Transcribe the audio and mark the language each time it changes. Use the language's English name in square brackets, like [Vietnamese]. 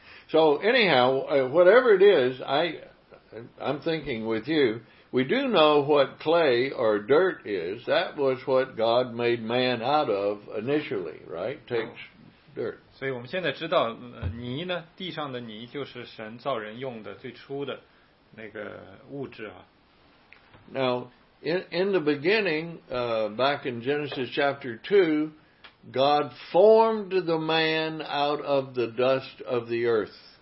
[English] So anyhow, whatever it is, I'm thinking with you, we do know what clay or dirt is. That was what God made man out of initially, right? Takes dirt. [Chinese] 所以我们现在知道泥呢，地上的泥就是神造人用的最初的那个物质啊。 [English] Now, in the beginning, back in Genesis chapter 2, God formed the man out of the dust of the earth.